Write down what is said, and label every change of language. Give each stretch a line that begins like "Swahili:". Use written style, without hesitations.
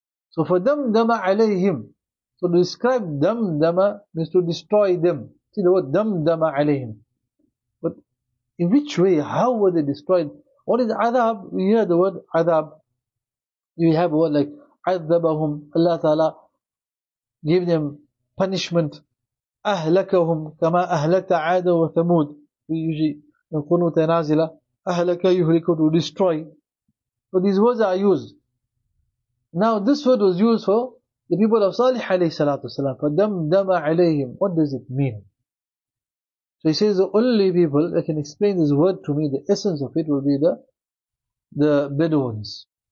English: So for دَمْدَمَ عَلَيْهِمْ. So to describe دَمْدَمَ means to destroy them. See the word دَمْدَمَ عَلَيْهِمْ. But in which way? How were they destroyed? What is azab? We hear the word azab. You have a word like عذبهم, Allah Ta'ala gave them punishment.
Arabic: أهلكهم كما أهلك عاد وثمود.
English: We usually
Arabic: نقول تنازلة أهلك يهلك,
English: to destroy. But these words are used. Now this word was used for the people of Salih alayhi salatu wasalam. فَدَمْدَمَ عَلَيْهِمْ. What does it mean? So he says, the only people that can explain this word to me, the essence of it will be the Bedouins.